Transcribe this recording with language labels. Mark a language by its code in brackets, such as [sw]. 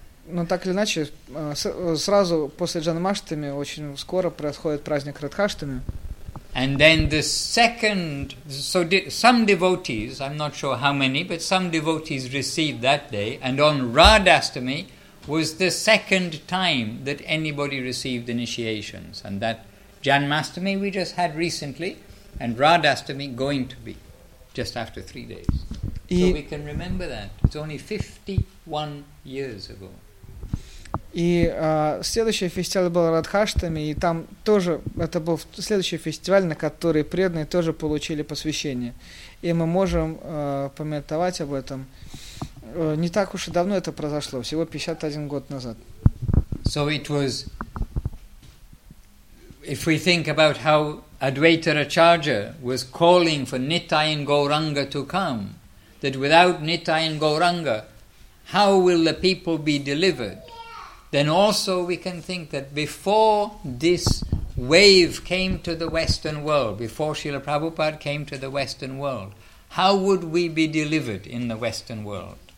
[ru] Но так или иначе, сразу после Джанмаштами очень скоро происходит праздник Радхаштами. [en] And then the second, so some devotees, I'm not sure how many, but some devotees received that day, and on Radhastami was the second time that anybody received initiations, and that Janmashtami we just had recently, and Radhastami going to be just after 3 days. So we can remember that. It's only 51 years ago. [ru] И следующий фестиваль был Радхаштами, и там тоже, это был следующий фестиваль, на который преданные тоже получили посвящение. И мы можем помятовать об этом. Не так уж и давно это произошло, всего 51 год назад. [en] So it was, if we think about how Advaita Acharya was calling for Nitai and Gauranga to come, that without Nitai and Gauranga, how will the people be delivered? Then also we can think that before this wave came to the Western world, before Srila Prabhupada came to the Western world, how would we be delivered in the Western world?